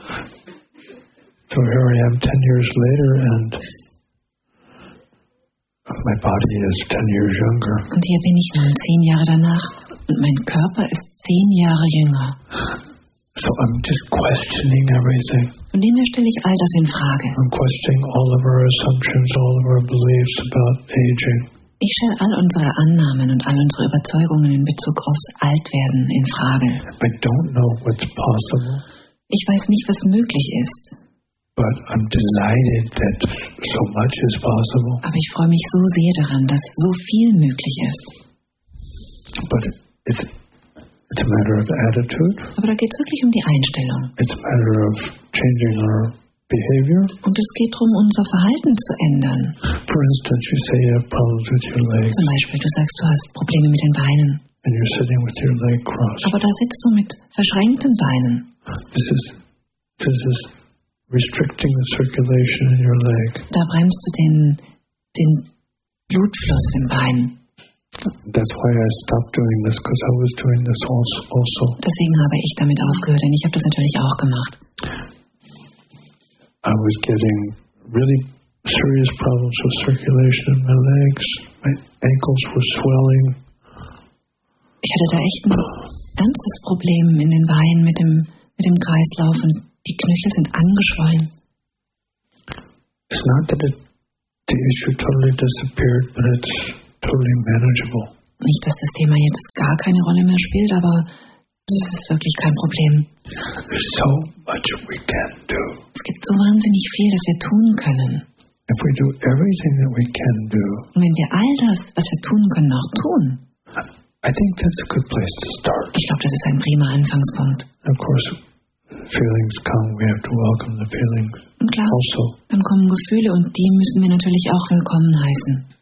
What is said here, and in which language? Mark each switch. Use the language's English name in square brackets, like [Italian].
[English] So here I am 10 years later and my body is 10 years younger. [German] Und hier bin ich nun 10 Jahre danach und mein Körper ist 10 Jahre jünger. [English] So I'm just questioning everything. [German] Von dem her stelle ich all das in Frage. [English] I'm questioning all of our assumptions, all of our beliefs about aging. [German] Ich stelle all unsere Annahmen und all unsere Überzeugungen in Bezug aufs Altwerden in Frage. [English] I don't know what's possible. [German] Ich weiß nicht, was möglich ist. [English] But I'm delighted that so much is possible. [German] Aber ich freue mich so sehr daran, dass so viel möglich ist. [English] But it's a matter of attitude. [German] Aber da geht es wirklich um die Einstellung. [English] It's a matter of changing our behavior. [German] Und es geht darum, unser Verhalten zu ändern. [English] For instance, you say you have problems with your legs. [German] Zum Beispiel, du sagst, du hast Probleme mit den Beinen. [English] And you're sitting with your leg crossed. [German] Aber da sitzt du mit verschränkten Beinen. [English] This is restricting the circulation in your leg. [German] Da bremst du den Blutfluss im Bein. [English] That's why I stopped doing this, because I was doing this also. [German] Deswegen habe ich damit aufgehört, denn ich habe das natürlich auch gemacht. [English] I was getting really serious problems with circulation in my legs. My ankles were swelling. [German] Ich hatte da echt ein ganzes Problem in den Beinen mit dem Kreislauf und die Knöchel sind angeschwollen. [English] It's not that the issue totally disappeared, but it's totally manageable. [German] Nicht, dass das Thema jetzt gar keine Rolle mehr spielt, aber es ist wirklich kein Problem. [English] There's so much we can do. [German] Es gibt so wahnsinnig viel, das wir tun können. [English] If we do everything that we can do, [German] und wenn wir all das, was wir tun können, auch tun, [English] I think that's a good place to start. [German] Ich glaube, das ist ein prima Anfangspunkt. [English] Of course, feelings come. We have to welcome the feelings. [German] Und unklar? Also. Dann kommen Gefühle und die müssen wir natürlich auch willkommen heißen.